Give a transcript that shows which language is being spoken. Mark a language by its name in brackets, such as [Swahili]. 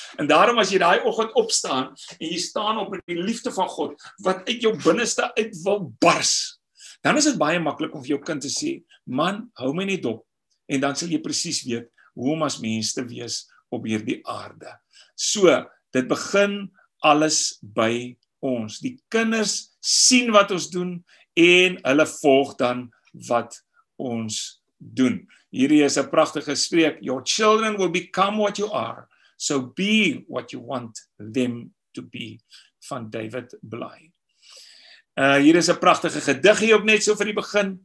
[Afrikaans] En daarom, as jy daai oggend opstaan, en jy staan op die liefde van God, wat uit jou binnenste uit wil bars, dan is het baie makkelijk om vir jou kind te sê, man, hou my net op, en dan sal jy precies weet, hoe om as mens te wees op hierdie aarde. So, dit begin alles by ons. Die kinders sien wat ons doen en hulle volg dan wat ons doen. Hierdie is 'n prachtige spreek. [English] Your children will become what you are, so be what you want them to be. [Afrikaans] Van David Bly. Hier is 'n prachtige gediggie ook net so vir die begin.